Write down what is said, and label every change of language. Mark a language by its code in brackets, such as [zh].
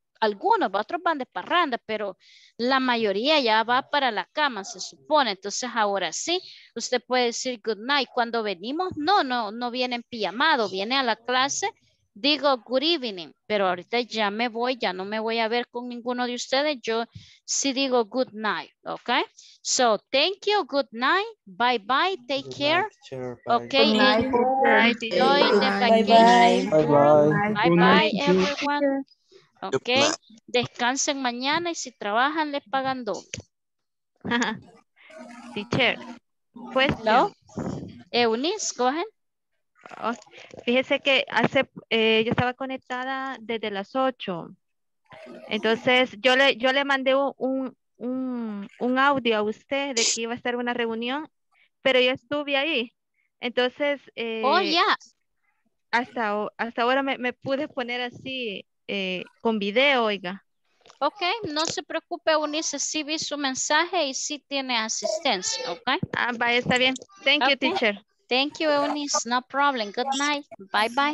[es] Algunos, otros van de parranda, pero la mayoría ya va para la cama, se supone. Entonces, ahora sí, usted puede decir [en] good night. [es] Cuando venimos, no viene en pijamado, viene a la clase, digo [en] good evening. [es] Pero ahorita ya me voy, ya no me voy a ver con ninguno de ustedes. Yo sí digo [en] good night, [es] ¿ok? [en] So, thank you, good night, bye bye, take care. Ok, bye bye. Bye bye, everyone. [es] Ok, descansen mañana y si trabajan les pagan doble. Teacher, pues [en] no. Eunice, go ahead. [es] Fíjese que hace yo estaba conectada desde las 8. Entonces yo le mandé un audio a usted de que iba a estar una reunión, pero yo estuve ahí. Entonces oh, ya. Hasta ahora me pude poner así con video, oiga. Ok, no se preocupe, Eunice, sí vi su mensaje y sí tiene asistencia, ok. [en] Ah, bye, [es] está bien. [en] Thank you, teacher. Thank you, Eunice, no problem. Good night. Bye, bye.